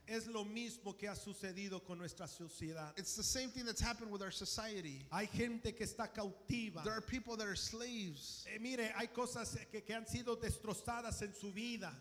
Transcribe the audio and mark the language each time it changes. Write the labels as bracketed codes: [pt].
[es] es lo mismo que ha sucedido con nuestra sociedad. [en] It's the same thing that's happened with our society. [es] Hay gente que está cautiva. [en] There are people that are slaves. [es] Mire, hay cosas que han sido destrozadas en su vida.